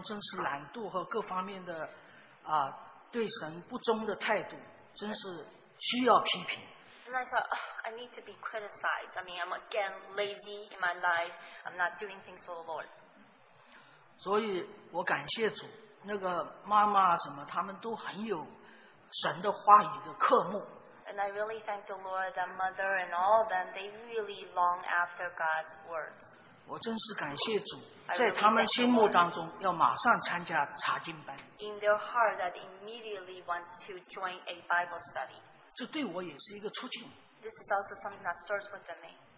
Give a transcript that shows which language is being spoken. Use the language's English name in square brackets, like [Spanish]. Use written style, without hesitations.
[Chinese] 我说，哎呦，又是，我的生命当中真是懒惰和各方面的。对神不忠的态度，真是需要批评。 [English] And I thought, I need to be criticized. I mean, I'm again lazy in my life. I'm not doing things for the Lord. [Chinese] 所以我感谢主，那个妈妈什么，他们都很有神的话语的渴慕。 [English] And I really thank the Lord, the mother and all of them, they really long after God's words. [Chinese] 我真是感谢主，在他们心目当中要马上参加查经班。 [English] In their heart, that immediately want to join a Bible study. [Chinese] 这对我也是一个促进。 [English] This is also something that starts with me.